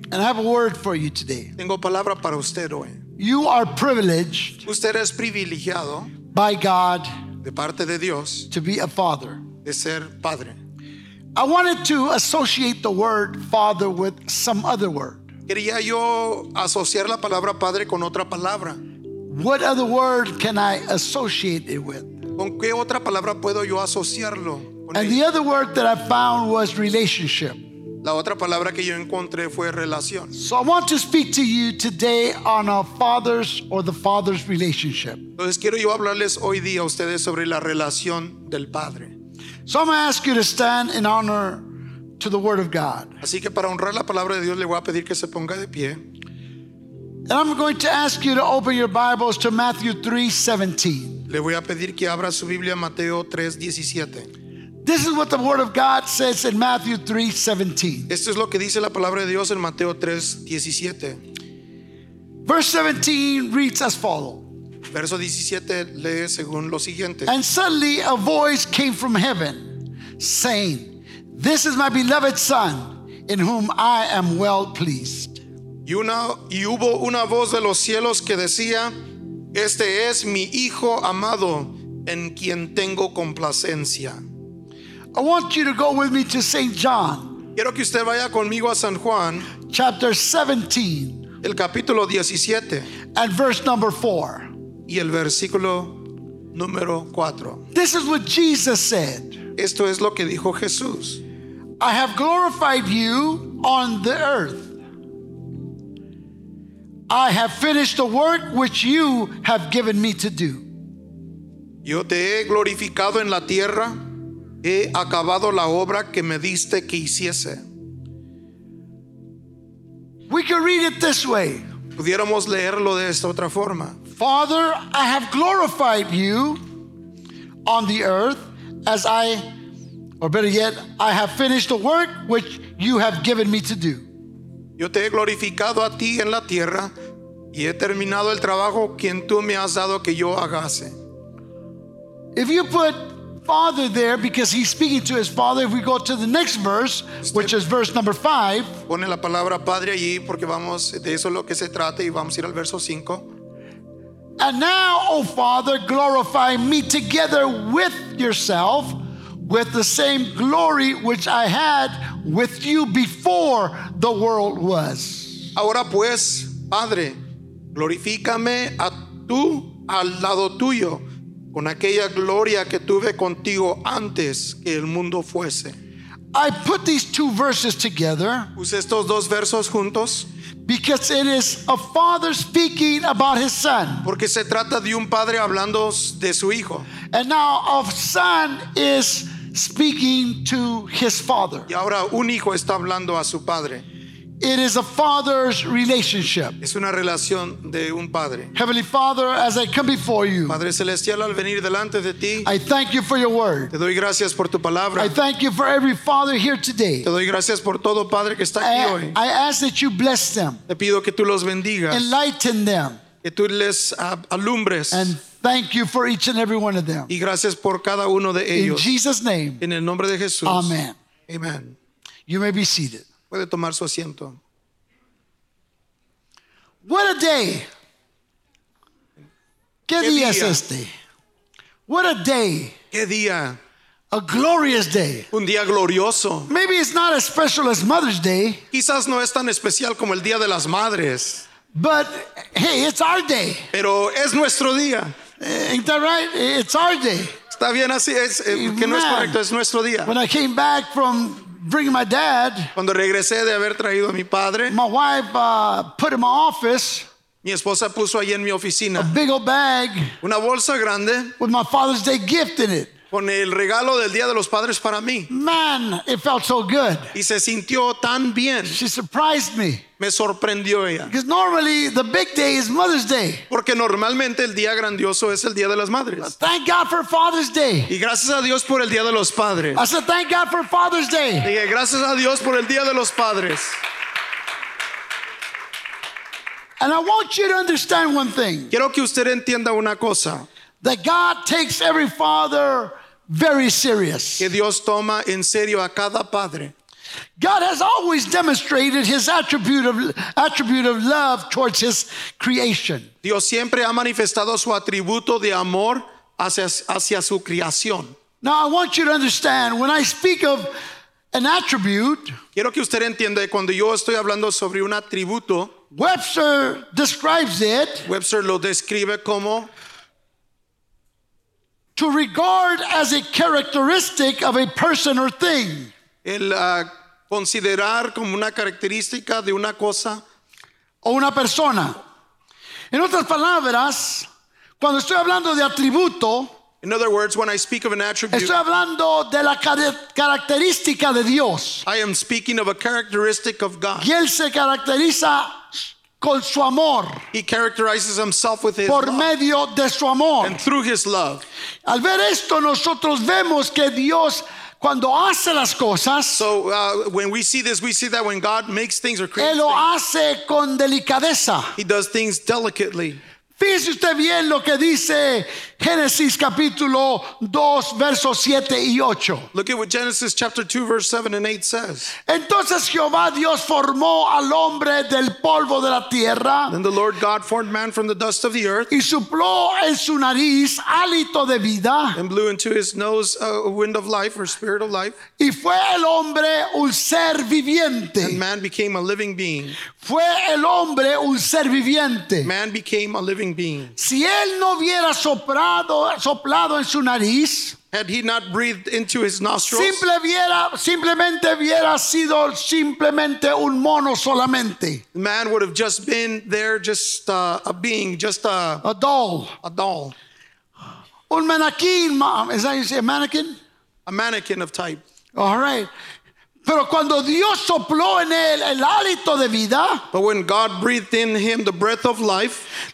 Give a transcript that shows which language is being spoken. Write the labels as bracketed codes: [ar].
[en] And I have a word for you today. [es] Tengo palabra para usted hoy. [en] You are privileged. [es] Usted es privilegiado. [en] By God. [es] De parte de Dios. [en] To be a father. [es] De ser padre. [en] I wanted to associate the word father with some other word. [es] Quería yo asociar la palabra padre con otra palabra. [en] What other word can I associate it with? [es] ¿Con qué otra palabra puedo yo asociarlo? [en] And the other word that I found was relationship. [es] La otra palabra que yo encontré fue relación. [en] So I want to speak to you today on a father's or the father's relationship. [es] Entonces quiero yo hablarles hoy día a ustedes sobre la relación del padre. [en] So I'm going to ask you to stand in honor to the word of God. [es] Así que para honrar la palabra de Dios le voy a pedir que se ponga de pie. [en] And I'm going to ask you to open your Bibles to Matthew 3:17. [es] Le voy a pedir que abra su Biblia Mateo 3:17. [en] This is what the word of God says in Matthew 3:17. [es] Esto es lo que dice la palabra de Dios en Mateo 3:17. [en] Verse 17 reads as follows. [es] Verso 17 lee según lo siguiente. [en] And suddenly a voice came from heaven saying, "This is my beloved son, in whom I am well pleased." [es] Y hubo una voz de los cielos que decía, "Este es mi hijo amado, en quien tengo complacencia." [en] I want you to go with me to St. John. [es] Quiero que usted vaya conmigo a San Juan. [en] Chapter 17. [es] El capítulo 17. [en] And verse number 4. [es] Y el versículo número 4. [en] This is what Jesus said. [es] Esto es lo que dijo Jesús. [en] I have glorified you on the earth. I have finished the work which you have given me to do. [es] Yo te he glorificado en la tierra. He acabado la obra que me diste que hiciese. [en] We can read it this way. [es] Pudiéramos leerlo de esta otra forma. [en] Father, I have glorified you on the earth as I, or better yet, I have finished the work which you have given me to do. [es] Yo te he glorificado a ti en la tierra y he terminado el trabajo quien tú me has dado que yo hagase. [en] If you put Father there because he's speaking to his father, if we go to the next verse, which is verse number 5. [es] Pone la palabra padre allí porque vamos, de eso es lo que se trata y vamos a ir al verso 5. [en] And now, O Father, glorify me together with yourself with the same glory which I had with you before the world was. [es] Ahora pues, Padre, glorifícame a tú al lado tuyo con aquella gloria que tuve contigo antes que el mundo fuese. [en] I put these two verses together. [es] Puse estos dos versos juntos. [en] Because it is a father speaking about his son. [es] Porque se trata de un padre hablando de su hijo. [en] And now a son is speaking to his father. [es] Y ahora un hijo está hablando a su padre. [en] It is a father's relationship. [es] Es una relación de un padre. [en] Heavenly Father, as I come before you, [es] Padre celestial, al venir delante de ti, [en] I thank you for your word. [es] Te doy gracias por tu palabra. [en] I thank you for every father here today. [es] Te doy gracias por todo padre que está aquí hoy. [en] I ask that you bless them. [es] Te pido que tú los bendigas. [en] Enlighten them. [es] Que tú les alumbres. [en] And thank you for each and every one of them. [es] Y gracias por cada uno de ellos. [en] In Jesus' name. [es] En el nombre de Jesús. [en] Amen. [es] Amen. [en] You may be seated. [es] Puede tomar su asiento. [en] What a day. [es] ¿Qué día es este? [en] What a day. [es] ¿Qué día? [en] A glorious day. [es] Un día glorioso. [en] Maybe it's not as special as Mother's Day. [es] Quizás no es tan especial como el Día de las Madres. [en] But hey, it's our day. [es] Pero es nuestro día. [en] Ain't that right? It's our day. [es] Está bien así, es que no es correcto, es nuestro día. [en] When I came back from bringing my dad. [es] Cuando regresé de haber traído a mi padre. [en] My wife put in my office. [es] Mi esposa puso ahí en mi oficina. [en] A big old bag. [es] Una bolsa grande. [en] With my Father's Day gift in it. [es] Con el regalo del Día de los Padres para mí. [en] Man, it felt so good. [es] Y se sintió tan bien. [en] She surprised me. [es] Me sorprendió ella. [en] Because normally the big day is Mother's Day. [es] Porque normalmente el día grandioso es el Día de las Madres. [en] But thank God for Father's Day. [es] Y gracias a Dios por el Día de los Padres. [en] I said thank God for Father's Day. [es] Dije gracias a Dios por el Día de los Padres. [en] And I want you to understand one thing. [es] Quiero que usted entienda una cosa. [en] That God takes every father very serious. [es] Que Dios toma en serio a cada padre. [en] God has always demonstrated his attribute of love towards his creation. [es] Dios siempre ha manifestado su atributo de amor hacia su creación. [en] Now I want you to understand, when I speak of an attribute, [es] quiero que usted entienda que cuando yo estoy hablando sobre un atributo, [en] Webster describes it. [es] Webster lo describe como [en] to regard as a characteristic of a person or thing. [es] Considerar como una característica de una cosa o una persona. En otras palabras, cuando estoy hablando de atributo, [en] in other words, when I speak of an attribute, [es] estoy hablando de la característica de Dios. [en] I am speaking of a characteristic of God. [es] Y él se caracteriza con su amor. [en] He characterizes himself with his [es] por [en] love. [es] Por medio de su amor. [en] And through his love. [es] Al ver esto, nosotros vemos que Dios, cuando hace las cosas, [en] when we see this, we see that when God makes things or creates [es] él lo hace [en] things, [es] con delicadeza. [en] He does things delicately. [es] Fíjese usted bien lo que dice Génesis capítulo 2, versos 7 y 8. [en] Look at what Genesis chapter 2, verse 7 and 8 says. [es] Entonces Jehová Dios formó al hombre del polvo de la tierra. [en] Then the Lord God formed man from the dust of the earth. [es] Y sopló en su nariz hálito de vida. [en] And blew into his nose a wind of life or spirit of life. [es] Y fue el hombre un ser viviente. [en] And man became a living being. [es] Fue el hombre un ser viviente. [en] Man became a living being. [es] Si él no hubiera soplado en su nariz, [en] had he not breathed into his nostrils, [es] simplemente hubiera sido simplemente un mono solamente. [en] Man would have just been there, just a being, just a doll. A doll. Un mannequin, mom. Is that how you say a mannequin? A mannequin of type. All right. [es] Pero cuando Dios sopló en él el hálito de vida, [en] but when God breathed in him the breath of life,